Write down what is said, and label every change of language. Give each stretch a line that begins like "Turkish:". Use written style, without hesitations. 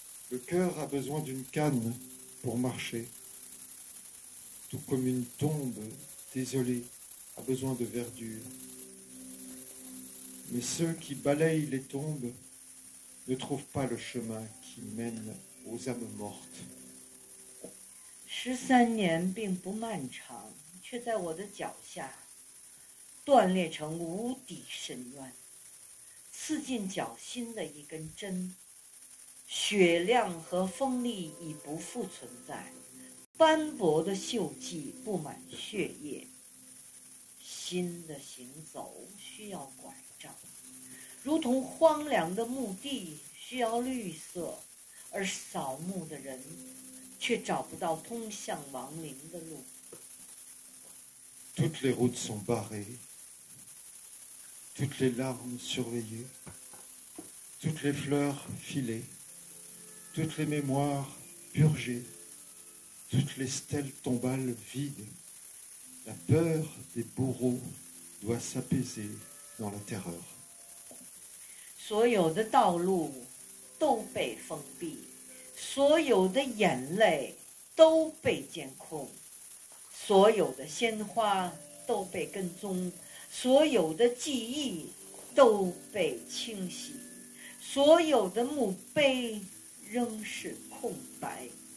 French: Le cœur a besoin d'une canne pour marcher, tout comme une tombe désolée a besoin de verdure. Mais ceux qui balayent les tombes ne trouvent pas le chemin qui mène aux âmes mortes. 13 années
Chinese: 并不漫长，却在我的脚下断裂成无底深渊，刺进脚心的一根针，雪亮和锋利已不复存在，斑驳的锈迹布满血液，心的行走需要拐。如同荒凉的墓地需要绿色，而扫墓的人却找不到通向亡灵的路。
French: Toutes les routes sont barrées, toutes les larmes surveillées, toutes les fleurs filées, toutes les mémoires purgées, toutes les stèles tombales vides. La peur des bourreaux doit s'apaiser dans la terreur.
Chinese: 所有的道路都被封闭，所有的眼泪都被监控，所有的鲜花都被跟踪，所有的记忆都被清洗，所有的墓碑仍是空白。